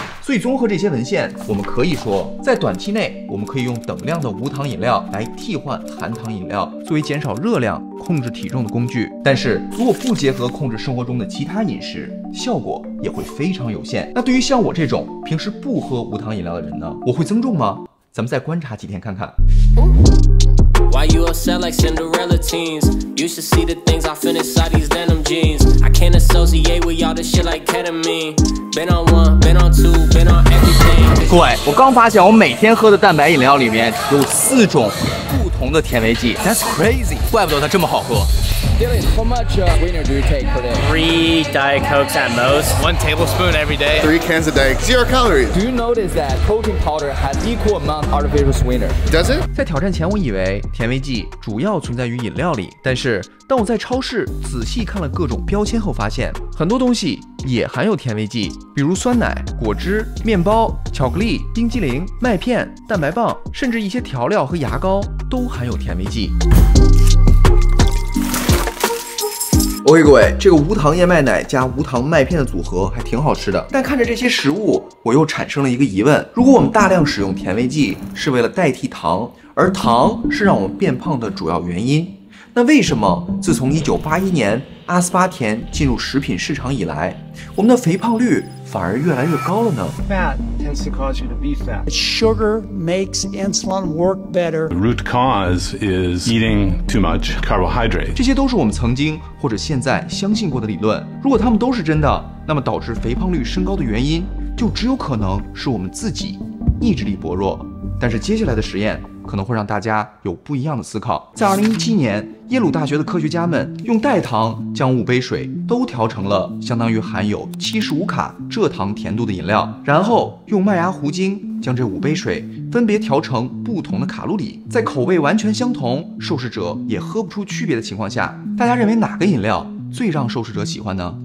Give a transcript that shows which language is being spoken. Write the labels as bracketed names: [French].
[Chinese] 所以综合这些文献，我们可以说在短期内我们可以用等量的无糖饮料来替换含糖饮料作为减少热量控制体重的工具，但是如果不结合控制生活中的其他饮食，效果也会非常有限。那对于像我这种平时不喝无糖饮料的人呢，我会增重吗？咱们再观察几天看看。 [English] Why you upset like Cinderella teens? You should see the things I fit inside these denim jeans. I can't associate with y'all this shit like ketamine. Been on one, been on two, been on everything. [Chinese] 各位，我刚发现我每天喝的蛋白饮料里面有四种不同的甜味剂。 [English] That's crazy. [Chinese] 怪不得它这么好喝。 [English] Dylan, how much wiener do you take per day? Three Diet Cokes at most. One tablespoon every day. Three cans a day. Zero calories. Do you notice that protein powder has equal amount of artificial sweetener? Does it? [Chinese] 在挑战前我以为甜味剂主要存在于饮料里，但是当我在超市仔细看了各种标签后发现，很多东西也含有甜味剂，比如酸奶、果汁、面包、巧克力、冰激凌、麦片、蛋白棒，甚至一些调料和牙膏都含有甜味剂。 OK， 各位，这个无糖燕麦奶加无糖麦片的组合还挺好吃的。但看着这些食物，我又产生了一个疑问：如果我们大量使用甜味剂是为了代替糖，而糖是让我们变胖的主要原因，那为什么自从1981年阿斯巴甜进入食品市场以来，我们的肥胖率反而越来越高了呢？ [English] Fat tends to cause you to be fat. Sugar makes insulin work better. The root cause is eating too much carbohydrate. [Chinese] 这些都是我们曾经或者现在相信过的理论。如果它们都是真的，那么导致肥胖率升高的原因就只有可能是我们自己意志力薄弱。但是接下来的实验可能会让大家有不一样的思考。在2017年，耶鲁大学的科学家们用代糖将五杯水都调成了相当于含有75卡蔗糖甜度的饮料，然后用麦芽糊精将这五杯水分别调成不同的卡路里，在口味完全相同、受试者也喝不出区别的情况下，大家认为哪个饮料最让受试者喜欢呢？